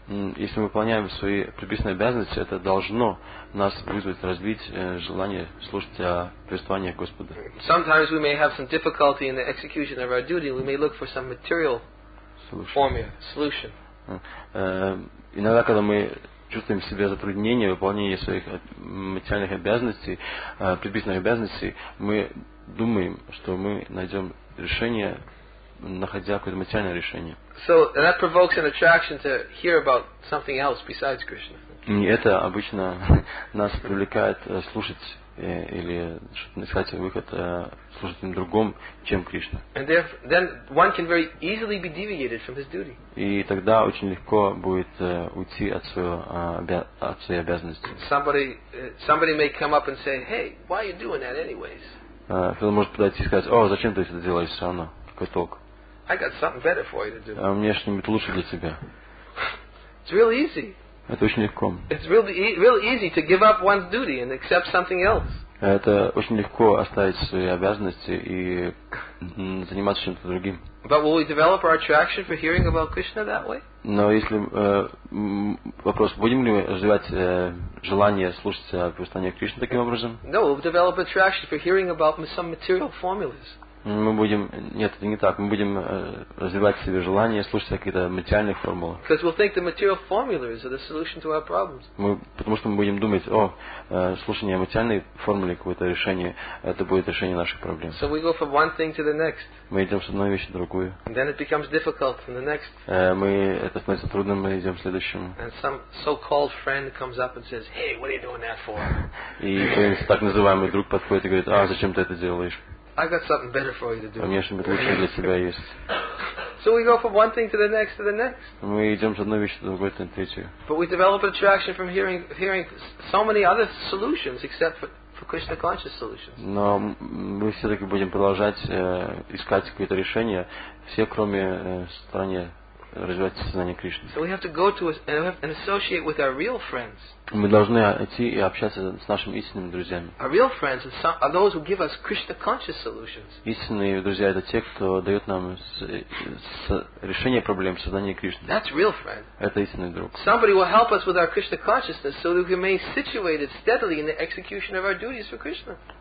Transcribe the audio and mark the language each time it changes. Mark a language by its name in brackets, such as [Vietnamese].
[Russian] Если мы выполняем свои предписанные обязанности, это должно нас вызвать, развить желание слушать о повествованиях Господа. [English] Sometimes we may have some difficulty in the execution of our duty. We may look for some material formula, solution. [Russian] Иногда, когда мы чувствуем в себе затруднение в выполнении своих материальных обязанностей, предписанных обязанностей, мы думаем, что мы найдем решение, находя какое-то материальное решение. [English] So that provokes an attraction to hear about something else besides Krishna. [Russian] Это обычно нас привлекает слушать или искать выход слушать на другом, чем Кришна. [English] And then one can very easily be deviated from his duty. [Russian] И тогда очень легко будет уйти от своей обязанности. [English] Somebody may come up and say, "Hey, why are you doing that anyways?" [Russian] Кто-то может подойти и сказать: "О, зачем ты это делаешь все равно? Какой толк?" [English] I got something better for you to do. [Russian] А у меня что-нибудь лучше для тебя. [English] It's really easy. [Russian] Это очень легко. [English] It's really, really easy to give up one's duty and accept something else. [Russian] Это очень легко оставить свои обязанности и заниматься чем-то другим. [English] But will we develop our attraction for hearing about Krishna that way? [Russian] Но если вопрос, будем ли мы развивать желание слушать о повествованиях Кришны таким образом? [English] No, we'll develop attraction for hearing about some material formulas. [Russian] Мы будем развивать в себе желание слушать какие-то материальные формулы. [English] Because we'll think the material formulas are the solution to our problems. [Russian] Потому что мы будем думать, о, слушание материальной формулы какое-то решение, это будет решение наших проблем. [English] So we go from one thing to the next. [Russian] Мы идем с одной вещи в другую. [English] And then it becomes difficult in the next. [Russian] Это становится трудным, мы идем к следующему. [English] And some so-called friend comes up and says, "Hey, what are you doing that for?" [Russian] И так называемый друг подходит и говорит: "А зачем ты это делаешь?" [English] I got something better for you to do. [Russian] У меня что-нибудь лучшее для тебя есть. [English] So we go from one thing to the next to the next. [Russian] Мы идем с одной вещи до другой, до третьей. [English] But we develop attraction from hearing so many other solutions except for Krishna conscious solutions. [Russian] Но мы все-таки будем продолжать искать какое-то решение, все кроме стороны развивать сознание Кришны. [English] So we have to go to and associate with our real friends. [Russian] Мы должны идти и общаться с нашими истинными друзьями. [English] Our real friends are those who give us Krishna conscious solutions. [Russian] Истинные друзья — это те, кто дает нам решение проблем сознания Кришны. [English] That's real friend. [Russian] Это истинный друг. [English] Somebody will help us with our Krishna consciousness so that we may be situated steadily in the execution of our duties for Krishna.